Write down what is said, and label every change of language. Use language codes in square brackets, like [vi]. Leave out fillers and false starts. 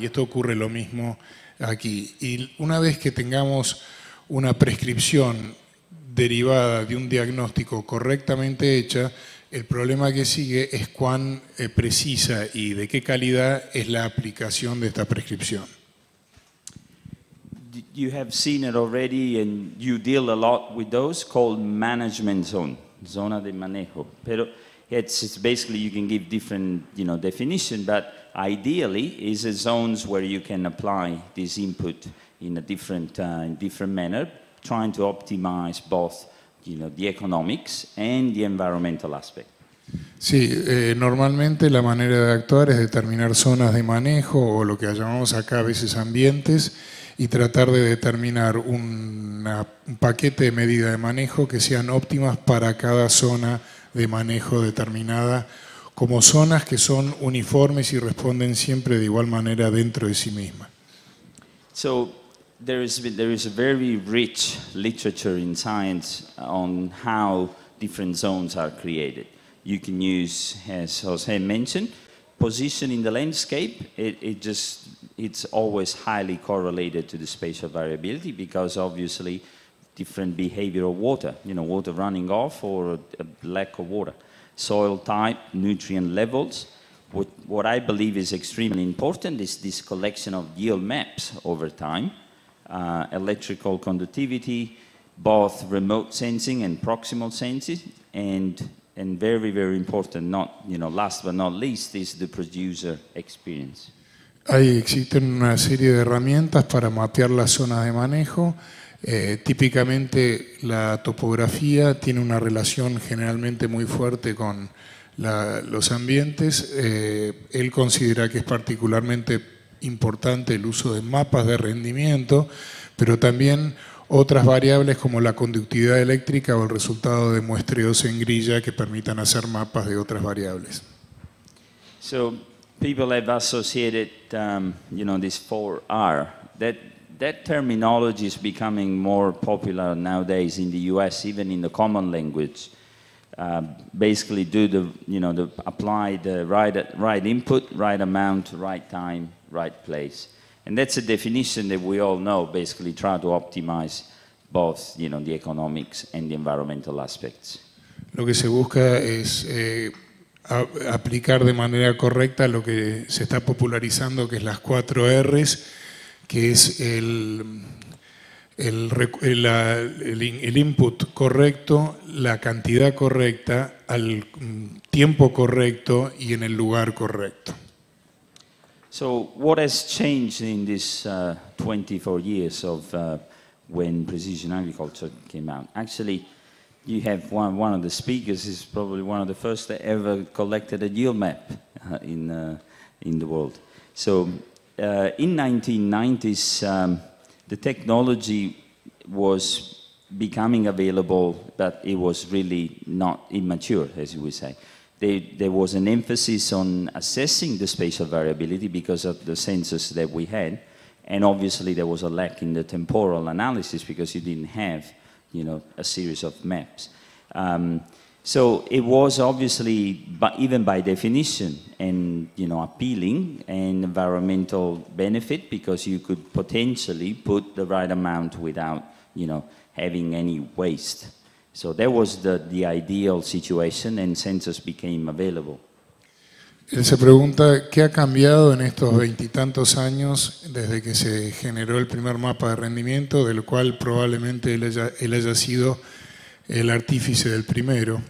[es] Y esto ocurre lo mismo aquí. Y una vez que tengamos una prescripción derivada de un diagnóstico correctamente hecha, el problema que sigue es cuán precisa y de qué calidad es la aplicación de esta prescripción. [en] You have seen it already, and you deal a lot with those called management zone, [es] zona de manejo. Pero [en] it's basically you can give different, you know, definition, but ideally is a zones where you can apply this input in a different manner, trying to optimize both, you know, the economics and the environmental aspect. [es] Sí, normalmente la manera de actuar es determinar zonas de manejo o lo que llamamos acá a veces ambientes, y tratar de determinar un paquete de medidas de manejo que sean óptimas para cada zona de manejo determinada, como zonas que son uniformes y responden siempre de igual manera dentro de sí misma. [en] So there is a very rich literature in science on how different zones are created. You can use, as Jose mentioned, position in the landscape. It's always highly correlated to the spatial variability because obviously different behavior of water, you know, water running off or a lack of water. Soil type, nutrient levels. What I believe is extremely important is this collection of yield maps over time. Electrical conductivity, both remote sensing and proximal sensing, and very, very important, not, you know, last but not least, is the producer experience. [es] Ahí existen una serie de herramientas para mapear las zonas de manejo. Típicamente la topografía tiene una relación generalmente muy fuerte con los ambientes. Él considera que es particularmente importante el uso de mapas de rendimiento, pero también otras variables como la conductividad eléctrica o el resultado de muestreos en grilla que permitan hacer mapas de otras variables. [en] So, people have associated, you know, this 4R. That terminology is becoming more popular nowadays in the U.S., even in the common language. Basically, do the, you know, the apply the right input, right amount, right time, right place. And that's a definition that we all know, basically try to optimize both, you know, the economics and the environmental aspects. [es] Lo que se busca es aplicar de manera correcta lo que se está popularizando, que es las 4 R's, que es el input correcto, la cantidad correcta, al tiempo correcto y en el lugar correcto. [en] So what has changed in this 24 years of when precision agriculture came out? Actually, you have one of the speakers is probably one of the first that ever collected a yield map in the world. So in 1990s, the technology was becoming available, but it was really not immature, as you would say. There was an emphasis on assessing the spatial variability because of the sensors that we had, and obviously there was a lack in the temporal analysis because you didn't have, you know, a series of maps. So it was obviously, but even by definition, and, you know, appealing and environmental benefit because you could potentially put the right amount without, you know, having any waste. So that was the ideal situation, and sensors became available. [es] Él se pregunta qué ha cambiado en estos 20 y tantos años desde que se generó el primer mapa de rendimiento, del cual probablemente él haya sido el artífice del primero.